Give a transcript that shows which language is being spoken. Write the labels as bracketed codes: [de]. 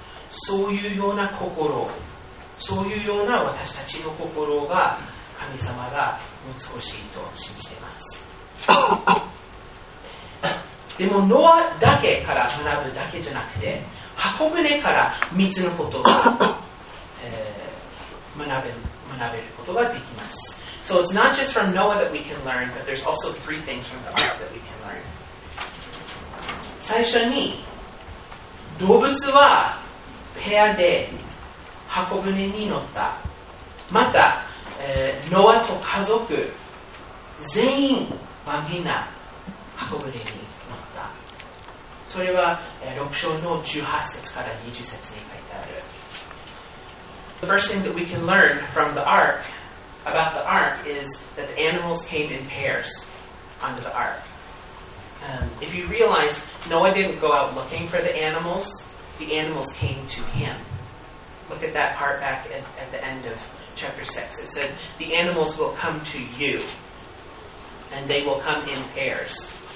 [ja] そういうような心、そういうような私たちの心が神様が持つほしいと信じています。でもノアだけから学ぶだけじゃなくて、箱舟から三つのことが学べることができます。 [en] So it's not just from Noah that we can learn, but there's also three things from the ark that we can learn. [ja] 最初に、動物は部屋で箱舟に乗った。また、ノアと家族全員はみんな箱舟に乗った。それは、6章の18節から20節に書いてある。 [en] The first thing that we can learn from the ark, about the ark, is that the animals came in pairs onto the ark. If you realize, Noah didn't go out looking for the animals, the animals came to him. Look at that part back at the end of chapter 6. It said, the animals will come to you, and they will come in pairs.